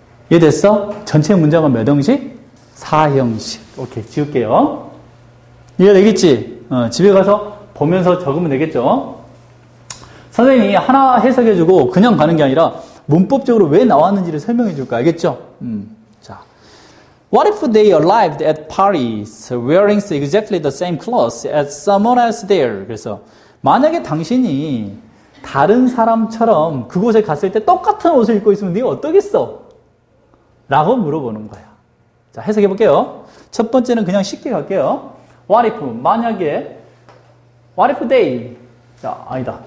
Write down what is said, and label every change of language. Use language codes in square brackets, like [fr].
[ko] 이해됐어? 전체 문장은 몇 형식? 4형식. 오케이. 지울게요. 이해되겠지? 집에 가서 보면서 적으면 되겠죠? 선생님이 하나 해석해주고 그냥 가는 게 아니라 문법적으로 왜 나왔는지를 설명해줄 거야. 알겠죠? 자. [en] What if they arrived at Paris wearing exactly the same clothes as someone else there? [ko] 그래서 만약에 당신이 다른 사람처럼 그곳에 갔을 때 똑같은 옷을 입고 있으면 네가 어떠겠어? 라고 물어보는 거야. 자, 해석해볼게요. 첫 번째는 그냥 쉽게 갈게요. [en] What if, [ko] 만약에, [en] what if they, [ko] 자, 아니다.